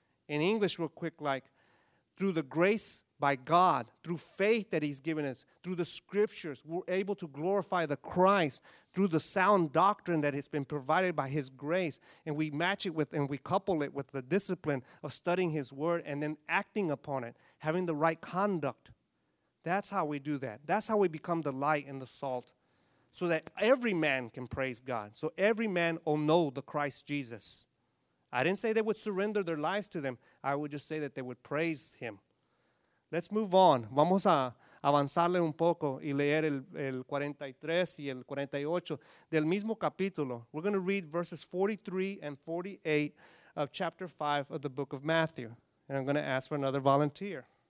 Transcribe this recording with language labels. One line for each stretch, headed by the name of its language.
English: In English, real quick, like, through the grace by God, through faith that he's given us, through the scriptures, we're able to glorify the Christ through the sound doctrine that has been provided by his grace, and we match it with and we couple it with the discipline of studying his word and then acting upon it, having the right conduct. That's how we do that. That's how we become the light and the salt so that every man can praise God. So every man will know the Christ Jesus. I didn't say they would surrender their lives to them. I would just say that they would praise him. Let's move on.
Spanish: Vamos a avanzarle un poco y leer el 43 y el 48 del mismo capítulo.
English: We're going to read verses 43 and 48 of chapter 5 of the book of Matthew. And I'm going to ask for another volunteer.